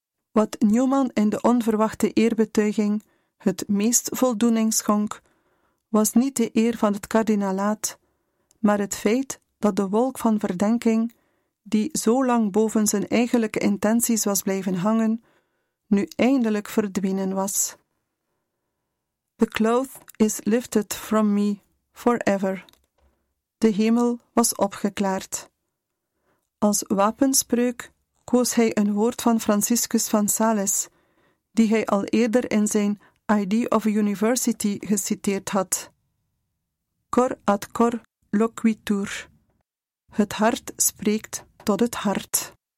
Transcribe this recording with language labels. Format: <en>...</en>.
<nl>Wat Newman in de onverwachte eerbetuiging het meest voldoening schonk, was niet de eer van het kardinalaat, maar het feit dat de wolk van verdenking, die zo lang boven zijn eigenlijke intenties was blijven hangen, nu eindelijk verdwenen was.</nl> <en>The cloth is lifted from me forever.</en> <nl>De hemel was opgeklaard. Als wapenspreuk koos hij een woord van Franciscus van Sales, die hij al eerder in zijn Idea of University geciteerd had.</nl> <la>Cor ad cor loquitur.</la> <nl>Het hart spreekt tot het hart.</nl>